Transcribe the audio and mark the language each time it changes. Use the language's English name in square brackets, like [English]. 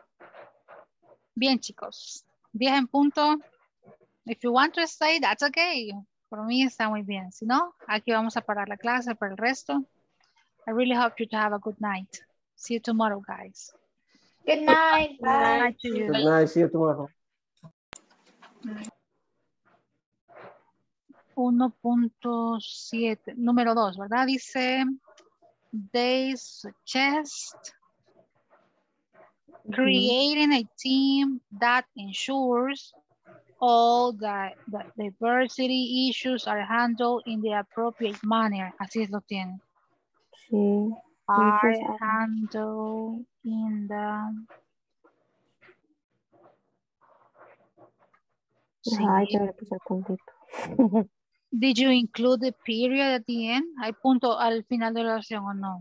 [Spanish] Uh-huh. Bien, chicos, 10 en punto. [English] If you want to stay, that's okay. For me, [Spanish] está muy bien. Si no, aquí vamos a parar la clase por el resto. [English] I really hope you to have a good night. See you tomorrow, guys. Good night. Bye. Good night to you. Good night. See you tomorrow. [Spanish] 1.7, número 2, ¿verdad? Dice, [English] they suggest creating a team that ensures all the diversity issues are handled in the appropriate manner. [Spanish] Así lo tiene. Sí. [English] Are handled in the... [Spanish] Sí. [English] Did you include the period at the end? [Spanish] ¿Hay punto al final de la oración o no?